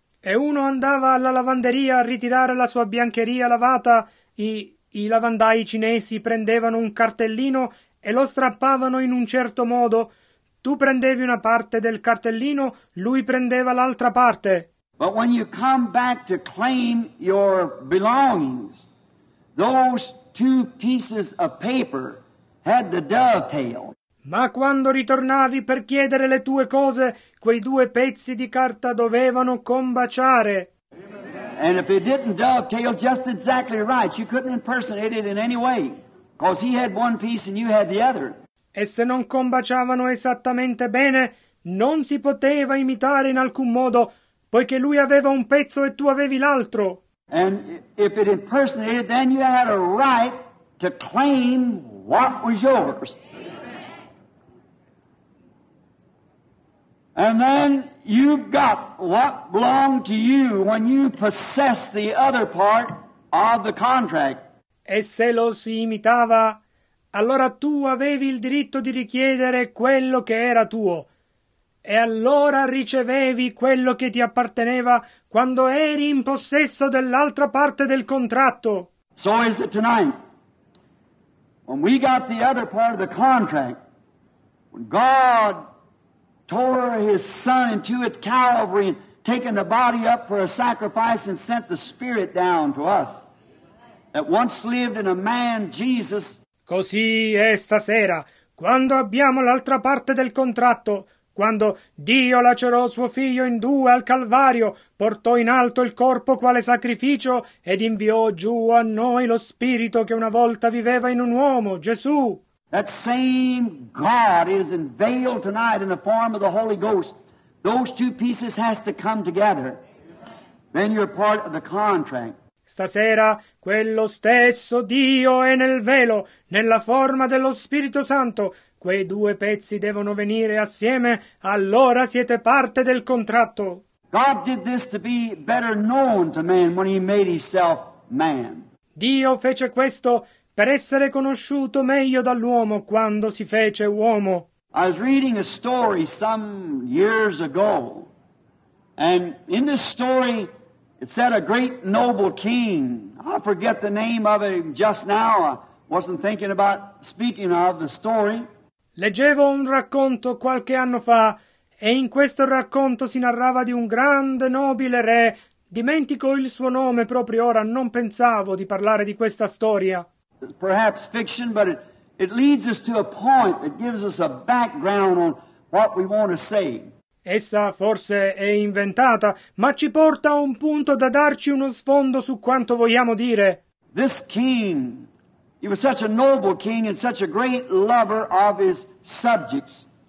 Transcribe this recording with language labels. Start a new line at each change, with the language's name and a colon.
Italian: E uno andava alla lavanderia a ritirare la sua biancheria lavata. I lavandai cinesi prendevano un cartellino e lo strappavano in un certo modo. Tu prendevi una parte del cartellino, lui prendeva l'altra parte.
English: But when you come back to claim your belongings, those two pieces of paper had the dovetail.
Italian: Ma quando ritornavi per chiedere le tue cose, quei due pezzi di carta dovevano combaciare.
English: And if it didn't dovetail just exactly right, you couldn't impersonate it in any way. Because he had one piece and you had the other.
Italian: E se non combaciavano esattamente bene, non si poteva imitare in alcun modo, poiché lui aveva un pezzo e tu avevi l'altro.
English: And if it impersonated, then you had a right to claim what was yours. And then you got what belonged to you when you possessed the other part of the contract.
Italian: E se lo si imitava, allora tu avevi il diritto di richiedere quello che era tuo. E allora ricevevi quello che ti apparteneva quando eri in possesso dell'altra parte del contratto.
English: So is it tonight. When we got the other part of the contract, when God tore his son into at Calvary and taken the body up for a sacrifice and sent the spirit down to us. That once lived in a man, Jesus.
Italian: Così è stasera, quando abbiamo l'altra parte del contratto, quando Dio lacerò suo figlio in due al Calvario, portò in alto il corpo quale sacrificio ed inviò giù a noi lo spirito che una volta viveva in un uomo, Gesù.
English: That same God is unveiled tonight in the form of the Holy Ghost. Those two pieces has to come together. Then you're part of the contract.
Italian: Stasera, quello stesso Dio è nel velo, nella forma dello Spirito Santo. Quei due pezzi devono venire assieme, allora siete parte del contratto.
English: God did this to be better known to man when he made himself man.
Italian: Dio fece questo per essere conosciuto meglio dall'uomo quando si fece uomo.
English: I was reading a story some years ago, and in this story it said a great noble king, I forget the name of him just now, I wasn't thinking about speaking of the story.
Italian: Leggevo un racconto qualche anno fa, e in questo racconto si narrava di un grande nobile re, dimentico il suo nome proprio ora, non pensavo di parlare di questa storia.
English: Perhaps fiction, but it leads us to a point that gives us a background on what we want to say.
Italian: Essa forse è inventata, ma ci porta a un punto da darci uno sfondo su quanto vogliamo dire.
English: This king, he was such a noble king and such a great lover of his subjects.